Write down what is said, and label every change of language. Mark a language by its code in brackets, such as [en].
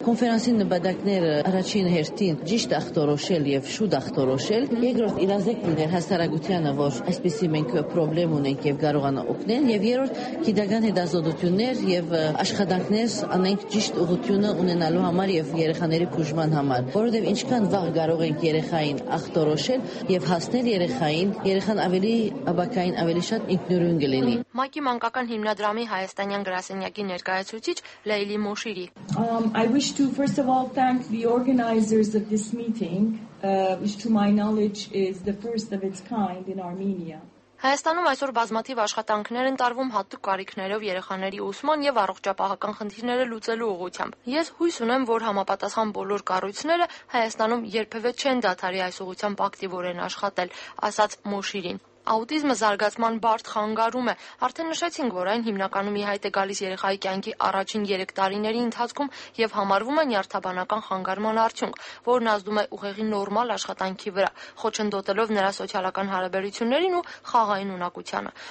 [hy] Կոնֆերանսի նպատակները առաջին հերթին ճիշտ ախտորոշել եւ շուտ ախտորոշել, երկրորդ իրազեկն է հասարակությանը, որ այսպիսի մենք պրոբլեմ ունենք եւ կարողանա օգնել, եւ երրորդ՝ գիտական հետազոտություններ եւ աշխատանքներ անենք ճիշտ ուղղությունը ունենալու համար եւ երեխաների բուժման համար, որովհետեւ ինչքան վաղ կարող ենք երեխային ախտորոշել եւ հաստել երեխային, երեխան ավելի աբակային, ավելի շատ ինքնուրույն կլինի։ ՄԱԿ-ի մանկական հիմնադրամի հայաստանյան գրասենյակի ներկայացուցիչ Լեյլի Մոշիրի։ [en] I wish to first of all thank the organizers of this meeting, which to my knowledge is the first of its kind in Armenia. [hy] Հայաստանում այսօր բազմաթիվ աշխատանքներ են տարվում հատուկ կարիքներով երեխաների ուսման եւ առողջապահական խնդիրները լուծելու ուղղությամբ։ Ես հույս ունեմ, որ համապատասխան բոլոր կառույցները Հայաստանում երբևէ չեն դադարի այս ուղղությամբ ակտիվորեն աշխատել, ասաց Մոշիրին։ Աուտիզմը զարգացման բարդ խանգարում է։ Արդեն նշեցինք, որ այն հիմնականում իհայտ է գալիս երեխայի կյանքի առաջին 3 տարիների ընթացքում եւ համարվում է նյարդաբանական խանգարման արդյունք, որն ազդում է ուղեղի նորմալ աշխատանքի վրա, խոչընդոտելով նրա սոցիալական հարաբերություններին ու խաղային ունակությանը։